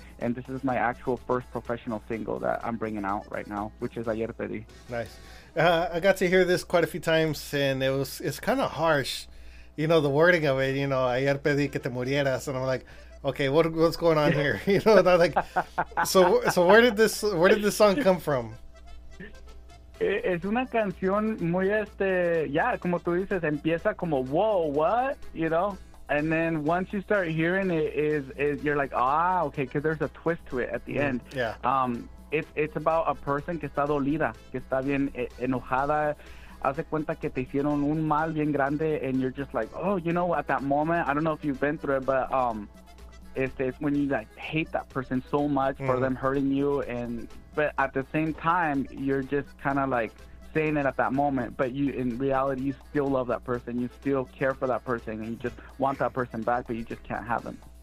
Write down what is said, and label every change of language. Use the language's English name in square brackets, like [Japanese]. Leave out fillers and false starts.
[English] And this is my actual first professional single that I'm bringing out right now, which is Ayer Pedí. Nice. I got to hear this quite a few times, and it's kind of harsh, you know, the wording of it, you know, Ayer Pedí que te murieras. And I'm like, okay, what's going on here? You know, and I'm like, so where did this song come from? [Spanish] Es una canción muy como tú dices, empieza como, whoa, what, you know? [English] And then once you start hearing it, is you're like, ah, okay, because there's a twist to it at the end. Yeah. It's about a person [Spanish] que está dolida, que está bien enojada, hace cuenta que te hicieron un mal bien grande, [English] and you're just like, oh, you know, at that moment, I don't know if you've been through it, but it's when you like hate that person so much for them hurting you, but at the same time, you're just kind of like saying it at that moment, but you, in reality, you still love that person, you still care for that person, and you just want that person back, but you just can't have them.